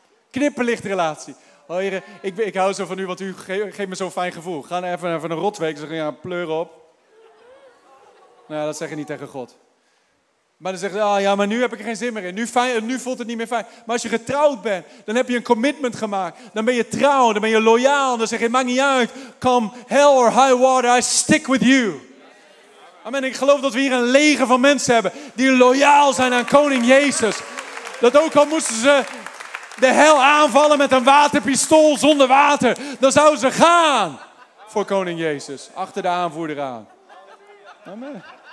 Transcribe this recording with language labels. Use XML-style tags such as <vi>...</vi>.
<nl>Knipperlichtrelatie. Oh heren, ik hou zo van u, want u geeft me zo'n fijn gevoel. Ga even een rotweek. Ze gaan pleuren op. Nou, dat zeg je niet tegen God. Maar dan zeggen ze, ja, maar nu heb ik er geen zin meer in. Nu voelt het niet meer fijn. Maar als je getrouwd bent, dan heb je een commitment gemaakt. Dan ben je trouw, dan ben je loyaal. Dan zeg je, het maakt niet uit.</nl> <en>Come hell or high water, I stick with you.</en> <nl>Amen. Ik geloof dat we hier een leger van mensen hebben die loyaal zijn aan Koning Jezus. Dat ook al moesten ze de hel aanvallen met een waterpistool zonder water. Dan zouden ze gaan voor Koning Jezus. Achter de aanvoerder aan. Amen.</nl>